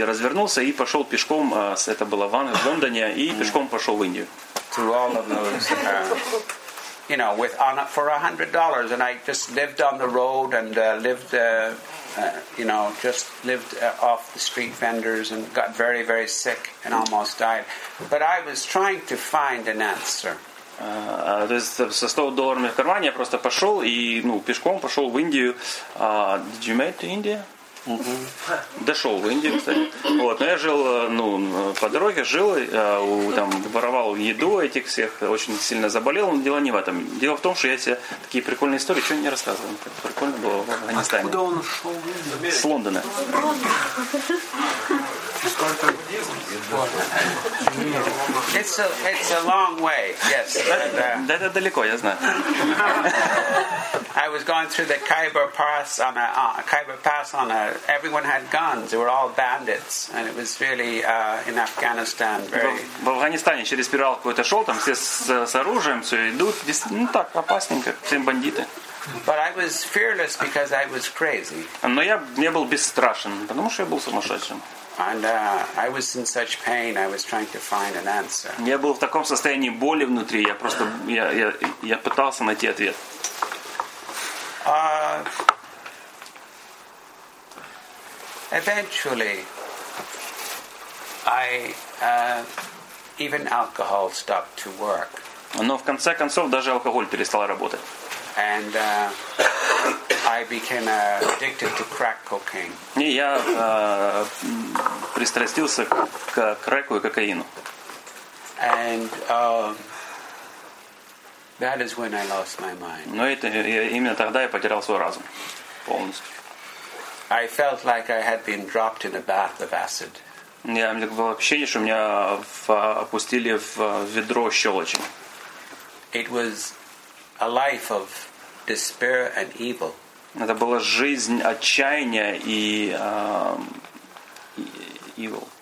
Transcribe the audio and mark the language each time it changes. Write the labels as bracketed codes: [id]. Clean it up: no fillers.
[ru] Я развернулся и пошел пешком, это было в Лондоне, и пешком пошел в Индию. [en] Through all of those, you know, for $100, and I just lived on the road and lived, you know, just lived off the street vendors and got very, very sick and almost died. But I was trying to find an answer. [ru] То есть со $100 в кармане я просто пошел и, ну, пешком пошел в Индию. [en] Did you make to India? [ru] Дошел в Индию, кстати. Вот, но я жил, ну, по дороге жил, там воровал еду этих всех, очень сильно заболел, но дело не в этом. Дело в том, что я себе такие прикольные истории, что не рассказывал. Это прикольно было в Афганистане. Куда он ушел в Индию? С Лондона. [en] It's a long way, yes. [ru] Это далеко, я знаю. [en] I was going through the Khyber Pass on a Khyber Pass on a. Everyone had guns. They were all bandits, and it was really in Afghanistan. [ru] В Афганистане через спиралку это шел, там все с оружием все идут, ну так опасненько, все бандиты. [en] But I was fearless because I was crazy. [ru] Но я не был бесстрашен, потому что я был сумасшедшим. [en] And I was in such pain. I was trying to find an answer. [ru] Я был в таком состоянии боли внутри. Я пытался найти ответ. [en] Eventually, I even alcohol stopped to work. [ru] Но в конце концов даже алкоголь перестал работать. [en] And I became addicted to crack cocaine. [ru] И я пристрастился к креку и кокаину. [en] And that is when I lost my mind. [ru] Но это именно тогда я потерял свой разум полностью. [en] I felt like I had been dropped in a bath of acid. [ru] Я мне было ощущение, что меня опустили в ведро щелочи. [en] It was a life of despair and evil. [ru] Это была жизнь отчаяния и evil.